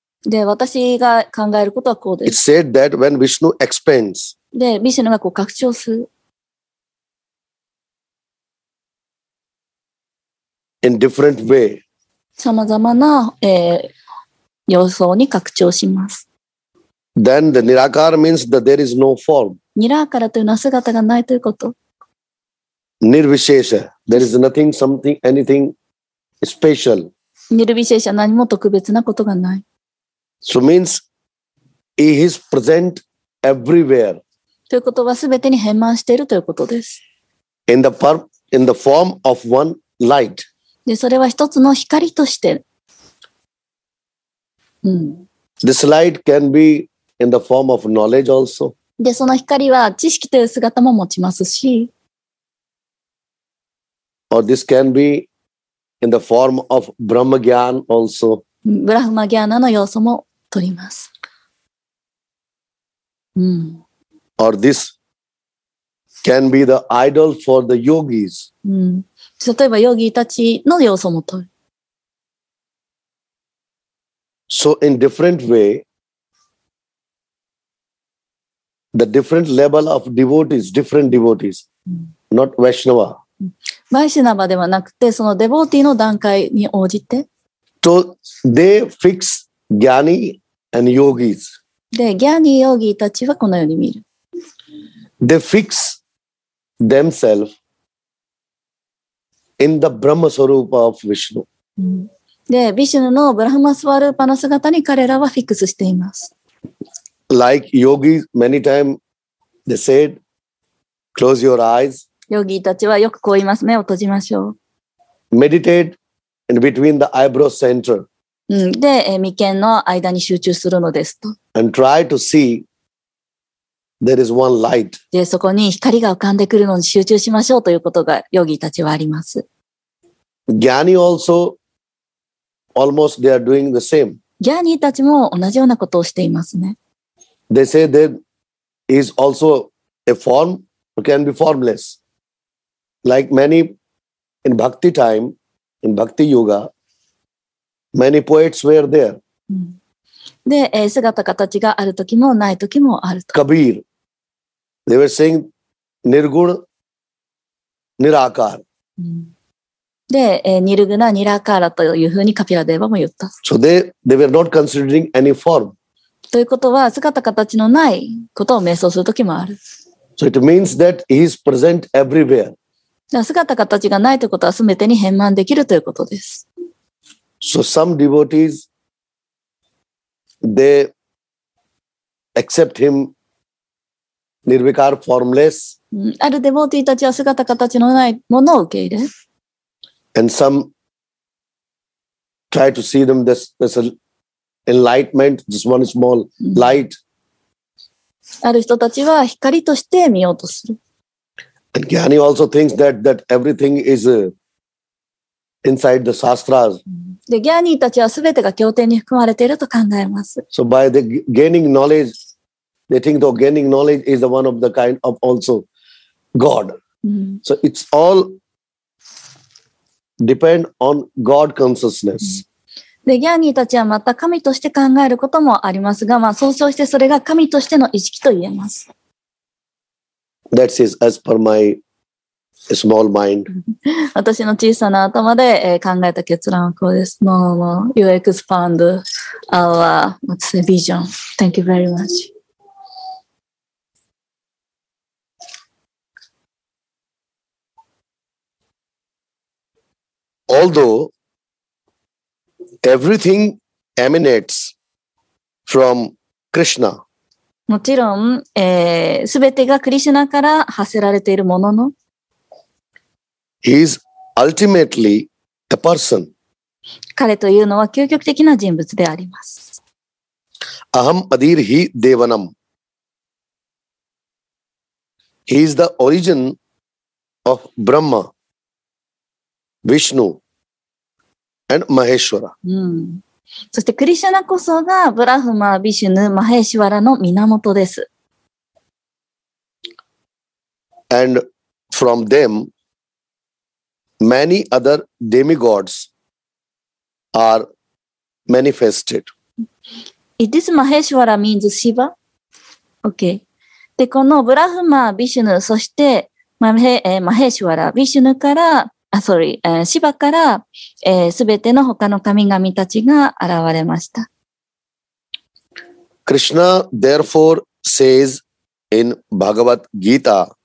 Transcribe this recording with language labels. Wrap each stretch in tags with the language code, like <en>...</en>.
<ja>で、私が考えることはこうです。</ja> <en>It said that when Vishnu expands,</en> <ja>で、ビシュヌがこう拡張する。</ja> <en>In different way.</en> <ja>様々な、様相に拡張します。</ja> <en>Then the Nirakar means that there is no form.</en> <ja>ニラーカラというのは姿がないということ。</ja> <en>Nirvishesha. There is nothing, something, anything special.</en> <ja>Nirvishesha, 何も特別なことがない。</ja> <en>So means he is present everywhere.</en> <ja>ということはすべてに遍満しているということです。</ja> <en>In the form of one light.</en> <ja>で、それは一つの光として。うん。</ja> <en>This light can be in the form of knowledge also.</en> <ja>で、その光は知識という姿も持ちますし。</ja> <en>Or this can be in the form of Brahma Gyan also.</en> <ja>Brahma Gyana の要素も取ります。うん。</ja> <en>Or this can be the idol for the yogis. うん。</en> <ja>例えば、ヨギたちの要素も取る。</ja> <en>So in different way, the different level of devotees, different devotees, not Vaishnava.</en> <ja>Vaishnava ではなくて、そのデボーティーの段階に応じて。</ja> <en>So they fix Jnani and Yogis.</en> <ja>で、Jnani Yogi たちはこのように見る。</ja> <en>They fix themselves in the Brahma Swarupa of Vishnu.</en> <ja>で、ビシュヌのブラハマスワルーパの姿に彼らはフィックスしています。</ja> <en>Like yogi, many times they said, close your eyes.</en> <ja>ヨギたちはよくこう言います。目を閉じましょう。</ja> <en>Meditate in between the eyebrow center.</en> <ja>で、眉間の間に集中するのですと。</ja> <en>And try to see there is one light.</en> <ja>で、そこに光が浮かんでくるのに集中しましょうということがヨギたちはあります。</ja> <en>Jnani also almost they are doing the same.</en> <ja>ギャーニーたちも同じようなことをしていますね。</ja> <en>They say there is also a form or can be formless. Like many in bhakti time, in bhakti yoga, many poets were there.</en> <ja>で、姿形があるときもないときもあると。</ja> <en>Kabir. They were saying nirgun, nirakar.</en> <ja>で、ニルグナ、ニラカーラというふうにカピラデーバも言った。</ja> <en>So they were not considering any form.</en> <ja>ということは、姿形のないことを瞑想するときもある。</ja> <en>So it means that he is present everywhere.</en> <ja>姿形がないということは、すべてに遍満できるということです。</ja> <en>So some devotees, they accept him nirvikar formless.</en> <ja>あるデボーティーたちは姿形のないものを受け入れ。</ja> <en>And some try to see them as an enlightenment, just one small light.</en> <ja>ある人たちは光として見ようとする。</ja> <en>And Jnani also thinks that everything is inside the sastras.</en> <ja>で、Jnani たちは全てが経典に含まれていると考えます。</ja> <en>So by the gaining knowledge, they think the gaining knowledge is the one of the kind of also God. So it's all depend on God consciousness.</en> <ja>で、ギャーニーたちはまた神として考えることもありますが、まあ、総称してそれが神としての意識と言えます。</ja> <en>That is as per my small mind.</en> <ja>私の小さな頭で考えた結論はこうです。</ja> <en>No, no, you expand our what's the vision. Thank you very much. Although everything emanates from Krishna.</en> <ja>もちろん、すべてがクリシュナから発せられているものの。</ja> <en>He is ultimately a person.</en> <ja>彼というのは究極的な人物であります。</ja> <sa>Aham Adirhi Devanam.</sa> <en>He is the origin of Brahma, Vishnu. And Maheshwara.</en> <ja>そしてクリシュナこそがブラフマ、ビシュヌ、マヘシュワラの源です。</ja> <en>And from them, many other demigods are manifested. This Maheshwara means Shiva. Okay.</en> <ja>で、このブラフマ、ビシュヌ、そしてマヘシュワラ、ビシュヌからシバからすべての他の神々たちが現れました。</ja> <en>Krishna therefore says in Bhagavad Gita,</en>